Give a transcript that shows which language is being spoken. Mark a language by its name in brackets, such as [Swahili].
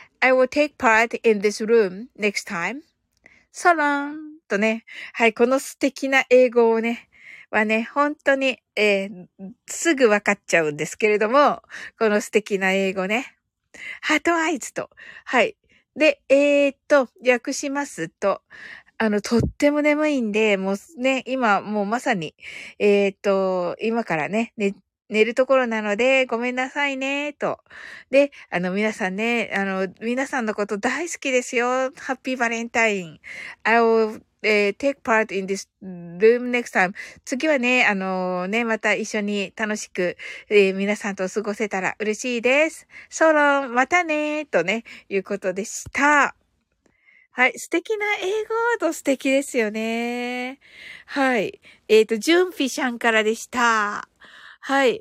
[English] I will take part in this room next time. [Japanese] サランとね。はい、この素敵な英語をね、はね、本当に、すぐ分かっちゃうんですけれども、この素敵な英語ね。ハートアイズと。はい。で、訳しますと、とっても眠いんで、もうね、今、もうまさに、今からね、寝るところなので、ごめんなさいね、と。で、皆さんね、皆さんのこと大好きですよ。ハッピーバレンタイン。 [English] I will、take part in this room next time. [Japanese] 次はね、また一緒に楽しく、皆さんと過ごせたら嬉しいです。 [English] So long! [Japanese] またね、とね、いうことでした。はい。素敵な英語と素敵ですよね。はい。ジュンフィシャンからでした。はい。